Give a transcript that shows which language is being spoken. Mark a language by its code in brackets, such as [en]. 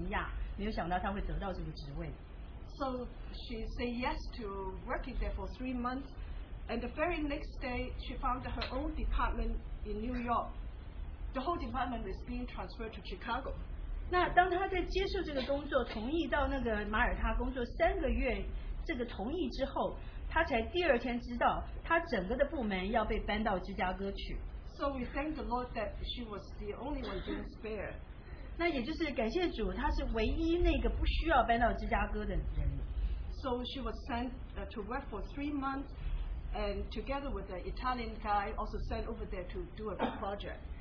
[zh] 那在那之后呢，他就回来告诉我们他得到这个工作。我们听了以后都很惊讶，没有想到他会得到这个职位。 [en] So she said yes to working there for 3 months, and the very next day she found her own department in New York. The whole department was being transferred to Chicago. [zh] 那当他在接受这个工作，同意到那个马耳他工作三个月。这个同意之后，他才第二天知道，他整个的部门要被搬到芝加哥去。 [en] So we thank the Lord that she was the only one being spared. [zh] 那也就是感谢主，他是唯一那个不需要搬到芝加哥的人。 [en] So she was sent to work for 3 months, and together with the Italian guy, also sent over there to do a project.